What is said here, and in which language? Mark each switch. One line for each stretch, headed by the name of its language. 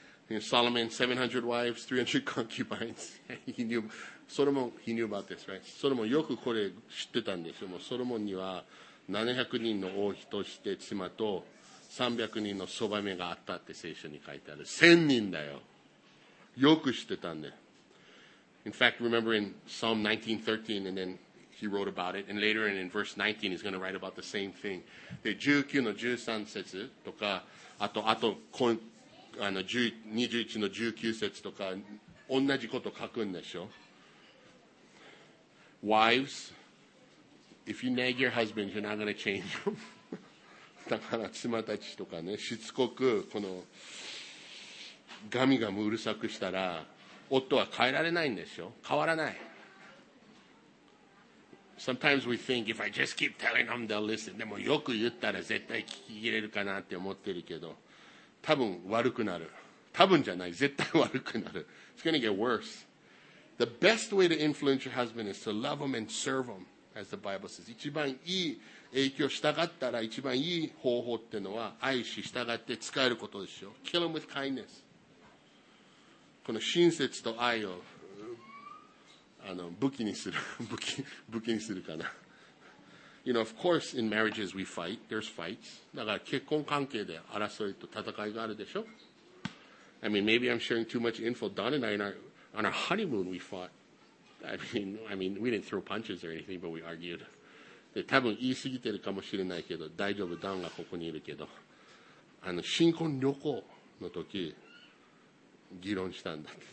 English: Solomon, 700 wives, 300 concubines. He knew about this, right?
Japanese: Solomon, よくこれ知ってたんですよ。もうソロモンには700人の王妃として妻と300人のそばめがあったって聖書に書いてある。 1000人だよ。よく知ってたんで。
English: In fact, remember in Psalm 19:13 and then he wrote about it, and later in verse 19 he's going to write about the same thing.
Japanese: で19の13節とか、あと今あの21の19節とか同じこと書くんでしょ。
English: Wives, if you nag your husband, you're not going to change him.
Japanese: だから妻たちとかね、しつこくこのガミガミうるさくしたら夫は変えられないんでしょ。変わらない。
English: Sometimes we think, if I just keep telling them, they'll listen.
Japanese: でもよく言ったら絶対聞き入れるかなって思ってるけど、多分悪くなる。多分じゃない。絶対悪くなる。
English: It's going to get worse. The best way to influence your husband is to love him and serve him, as the Bible says.
Japanese: 一番いい影響したかったら、一番いい方法ってのは、愛し従って使えることでしょ。
English: Kill him with kindness.
Japanese: この親切と愛を、武器にするかな。
English: You know, of course, in marriages we fight. There's fights.
Japanese: だから結婚関係で争いと戦いがあるでしょ。
English: I mean, maybe I'm sharing too much info. Don and I, on our honeymoon, we fought. I mean, we didn't throw punches or anything, but we argued.
Japanese: で、多分言い過ぎてるかもしれないけど、大丈夫、ダンがここにいるけど。あの、新婚旅行の時、議論したんだ。